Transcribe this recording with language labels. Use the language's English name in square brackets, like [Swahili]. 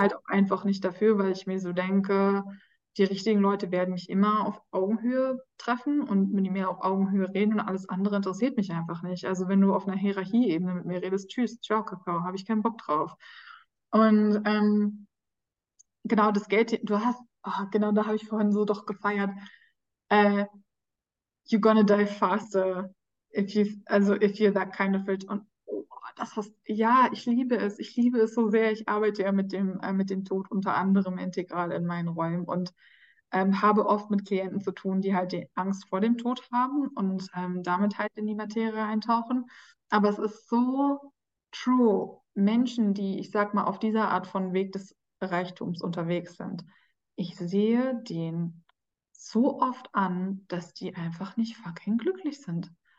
[German] halt auch einfach nicht dafür, weil ich mir so denke, die richtigen Leute werden mich immer auf Augenhöhe treffen und mit mir auf Augenhöhe reden und alles andere interessiert mich einfach nicht. Also wenn du auf einer Hierarchieebene mit mir redest, tschüss, ciao, Kakao, habe ich keinen Bock drauf. Und genau, das Geld, du hast, oh, genau, da habe ich vorhin so doch gefeiert. [English] You're gonna die faster, if you're that kind of rich. [German] Und oh, das hast, ja, ich liebe es. Ich liebe es so sehr. Ich arbeite ja mit dem Tod unter anderem integral in meinen Räumen und habe oft mit Klienten zu tun, die halt die Angst vor dem Tod haben und damit halt in die Materie eintauchen. Aber es ist so true. Menschen, die, ich sag mal, auf dieser Art von Weg des Reichtums unterwegs sind, ich sehe den so oft an, dass die einfach nicht fucking glücklich sind.